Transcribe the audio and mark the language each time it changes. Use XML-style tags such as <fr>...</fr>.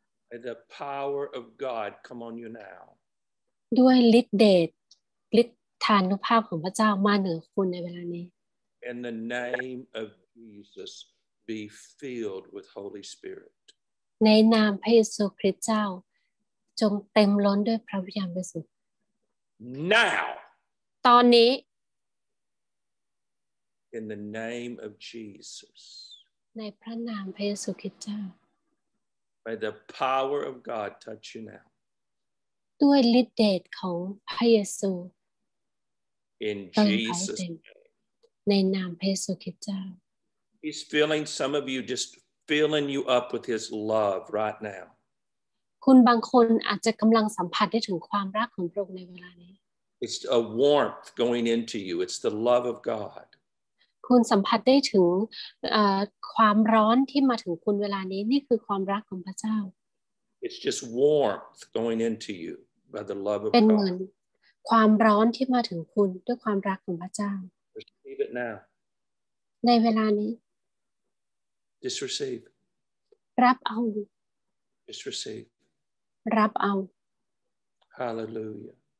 <en>by the power of God come on you now</en> <th>ด้วยฤทธิ์เดชฤทธานุภาพของพระเจ้ามาเหนือคุณในเวลานี้</th> <en>in the name of Jesus be filled with holy spirit</en> <th>ในนามพระเยซูคริสต์เจ้าจงเต็มล้นด้วยพระวิญญาณบริสุทธิ์</th> <en>now</en> <th>ตอนนี้</th> <en>In the name of Jesus.</en> <th>ในพระนามพระเยซูคริสต์เจ้า</th> <en>By the power of God, touch you now.</en> <th>ด้วยฤทธิ์เดชของพระเยซู</th> <en>In Jesus.</en> <th>ในนามพระเยซูคริสต์เจ้า</th> <en>He's filling some of you, just filling you up with His love right now.</en> <th>คุณบางคนอาจจะกำลังสัมผัสได้ถึงความรักของพระองค์ในเวลานี้</th> <en>It's a warmth going into you. It's the love of God.</en> <th>คุณสัมผัสได้ถึงความร้อนที่มาถึงคุณเวลานี้นี่คือความรักของพระเจ้า</th> <en>It's just warmth going into you by the love of God</en> <th>เป็นเหมือนความร้อนที่มาถึงคุณด้วยความรักของพระเจ้า</th> <en>Receive it now</en> <th>ในเวลานี้</th> <en>Just receive.</en> <th>รับเอา</th> <en>Just receive.</en> <th>รับเอา</th> <en>Hallelujah.</en>